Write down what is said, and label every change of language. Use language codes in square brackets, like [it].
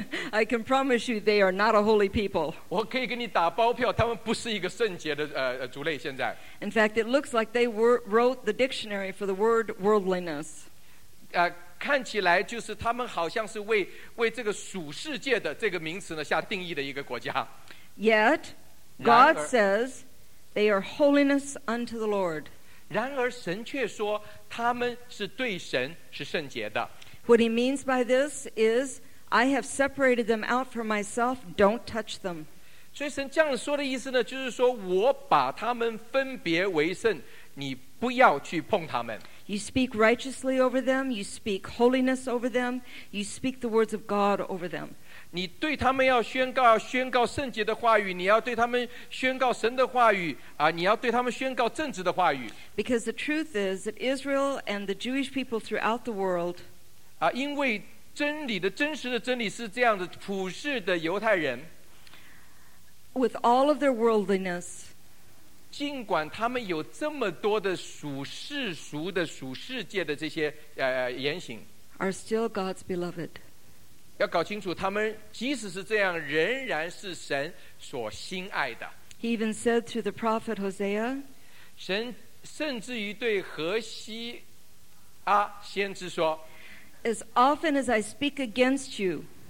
[en] I can promise you they are not a holy people. [zh] 我可以给你打包票，他们不是一个圣洁的族类现在。 [en] In fact, it looks like they wrote the dictionary for the word worldliness. [zh] 看起来就是他们好像是为这个属世界的这个名词呢下定义的一个国家。 [en] Yet, God says they are holiness unto the Lord. [zh] 然而神却说他们是对神是圣洁的。 [en] What he means by this is, I have separated them out for myself, don't touch them. [zh] 所以神这样说的意思呢，就是说我把他们分别为圣，你不要去碰他们。 [en] You speak righteously over them. You speak holiness over them. You speak the words of God over them. [zh] 你对他们要宣告圣洁的话语，你要对他们宣告神的话语，你要对他们宣告正直的话语。 [en] Because the truth is that Israel and the Jewish people throughout the world, [zh] 因为真理的真实的真理是这样的，普世的犹太人 [en] with all of their worldliness. [zh] 尽管他们有这么多的属世俗的属世界的这些言行 [en] are still God's beloved. [zh] 要搞清楚他们即使是这样仍然是神所心爱的。 [en] He even said through the prophet Hosea, [zh] 神甚至于对何西阿先知说， [en] As often as I speak against you,